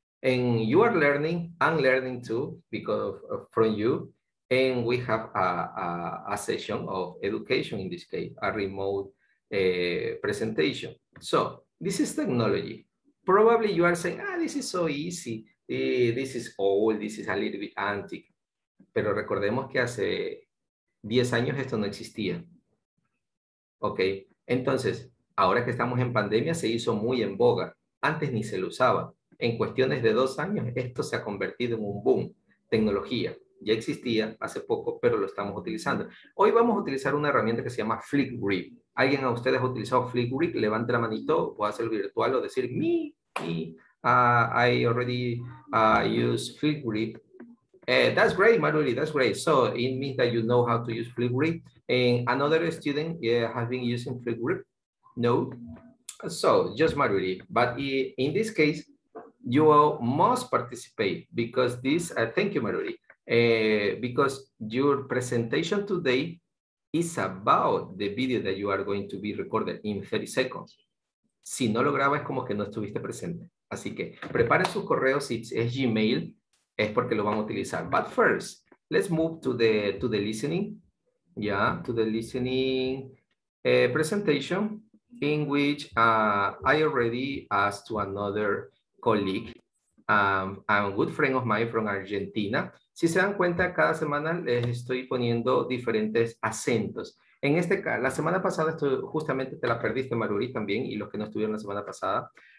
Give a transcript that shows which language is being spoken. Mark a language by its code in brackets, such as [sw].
[en] And you are learning, I'm learning too, because from you. And we have a session of education, in this case, a remote presentation. So this is technology. Probably you are saying, ah, this is so easy. This is old, this is a little bit antique. [es] Pero recordemos que hace 10 años esto no existía. Ok, entonces, ahora que estamos en pandemia, se hizo muy en boga. Antes ni se lo usaba. En cuestiones de 2 años, esto se ha convertido en un boom. Tecnología. Ya existía hace poco, pero lo estamos utilizando. Hoy vamos a utilizar una herramienta que se llama Flipgrid. ¿Alguien de ustedes ha utilizado Flipgrid? Levante la manito, puede hacer virtual o decir, [en] I already use Flipgrid. That's great, Maruri, that's great. So it means that you know how to use Flipgrid. And another student has been using Flipgrid. No. So just Maruri. But in this case, you all must participate because this, thank you, Maruri. Because your presentation today is about the video that you are going to be recorded in 30 seconds. [es] Si no lo grabas, es como que no estuviste presente. Así que preparen sus correos. Si es Gmail, es porque lo van a utilizar. [en] But first, let's move to the listening. Yeah, to the listening presentation in which I already asked to another colleague, a good friend of mine from Argentina. [es] Si se dan cuenta, cada semana les estoy poniendo diferentes acentos. En este caso, la semana pasada, esto justamente te la perdiste, Maruri, también, y los que no estuvieron la semana pasada.